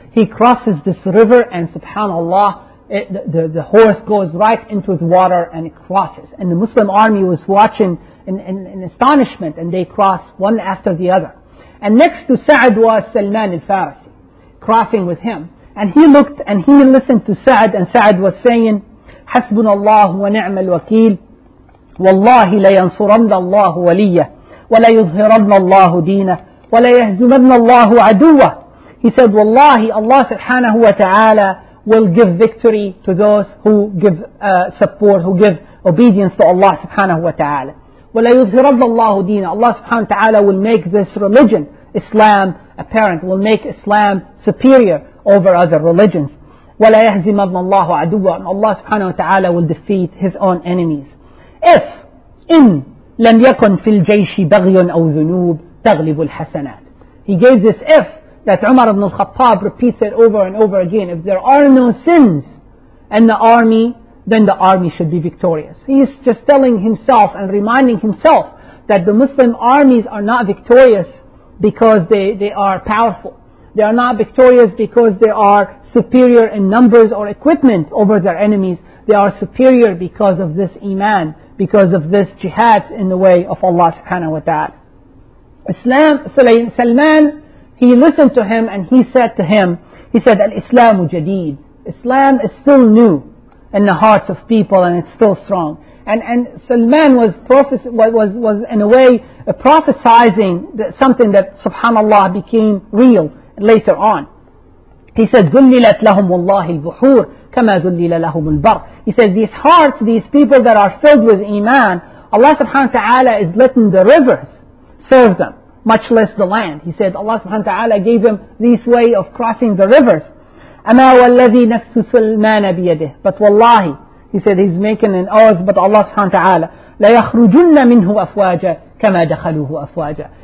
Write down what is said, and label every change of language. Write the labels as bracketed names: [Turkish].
[English] He crosses this river and subhanAllah, the horse goes right into the water and it crosses. And the Muslim army was watching in astonishment, and they cross one after the other. And next to Sa'd was Salman al-Farisi, crossing with him. And he looked and he listened to Sa'd, and Sa'd was saying, [Arabic] حَسْبُنَ اللَّهُ وَنِعْمَ الْوَكِيلُ وَاللَّهِ لَيَنْصُرَنَّ اللَّهُ وَلِيَّهُ وَلَيُظْهِرَنَّ اللَّهُ دِينَهُ وَلَيَهْزُمَنَّ اللَّهُ عَدُوَّهُ. [English] He said, wallahi, Allah subhanahu wa ta'ala will give victory to those who give support, who give obedience to Allah subhanahu wa ta'ala. [Arabic] وَلَيُظْهِرَضَّ اللَّهُ دِينَ. [English] Allah subhanahu wa ta'ala will make this religion, Islam, apparent, will make Islam superior over other religions. [Arabic] وَلَيَهْزِمَضَّ اللَّهُ عَدُوَّ. [English] And Allah subhanahu wa ta'ala will defeat his own enemies. If, in, [Arabic] لَمْ يَكُنْ فِي الْجَيْشِ بَغْيٌ أَوْ ذُنُوبٌ تَغْلِبُ الْحَسَنَاتِ. [English] He gave this if, that Umar ibn al-Khattab repeats it over and over again. If there are no sins in the army, then the army should be victorious. He is just telling himself and reminding himself that the Muslim armies are not victorious because they are powerful. They are not victorious because they are superior in numbers or equipment over their enemies. They are superior because of this iman, because of this jihad in the way of Allah subhanahu wa ta'ala. Islam, Salman, he listened to him and he said to him, he said, [Arabic] al-Islamu jadeed. [English] Islam is still new in the hearts of people, and it's still strong. And Salman was in a way prophesizing something that subhanAllah became real later on. He said, [Arabic] ذُلِّلَتْ لَهُمْ وَاللَّهِ الْبُحُورِ كَمَا ذُلِّلَ لَهُمُ الْبَرِ. [English] He said, these hearts, these people that are filled with iman, Allah subhanahu wa ta'ala is letting the rivers serve them, much less the land. He said, Allah subhanahu wa ta'ala gave them this way of crossing the rivers. [Arabic] أَمَا وَالَّذِي نَفْسُ سُلْمَانَ بِيَدِهِ. [English] But wallahi, he said, he's making an oath, but Allah subhanahu wa ta'ala, [Arabic] لَيَخْرُجُنَّ مِنْهُ أَفْوَاجَ كَمَا دَخَلُوهُ أَفْوَاجَ.